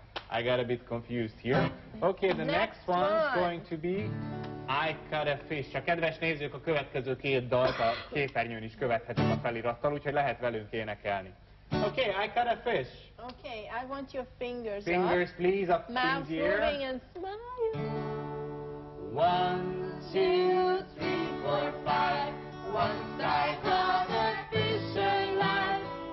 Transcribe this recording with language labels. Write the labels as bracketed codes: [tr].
[en] I got a bit confused here. Okay, the next one's going to be I Cut a Fish. [hu] A kedves nézők, a következő két dalt a képernyőn is követhetik a felirattal, úgyhogy lehet velünk énekelni. [en] Okay, I Cut a Fish. Okay, I want your fingers up. Fingers, please, up easier. Mouth moving and smiling. One, two, three, four, five. Once I caught a fish alive.